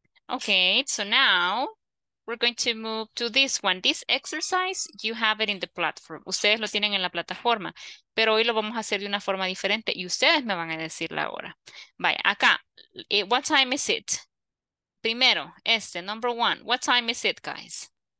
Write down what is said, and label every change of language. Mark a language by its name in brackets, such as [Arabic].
[English] Okay, so now we're going to move to this one. This exercise, you have it in the platform. [Spanish] Ustedes lo tienen en la plataforma, pero hoy lo vamos a hacer de una forma diferente y ustedes me van a decir la hora. Vaya, acá, [English] what time is it? [Spanish] Primero, este, [English] number one, what time is it, guys?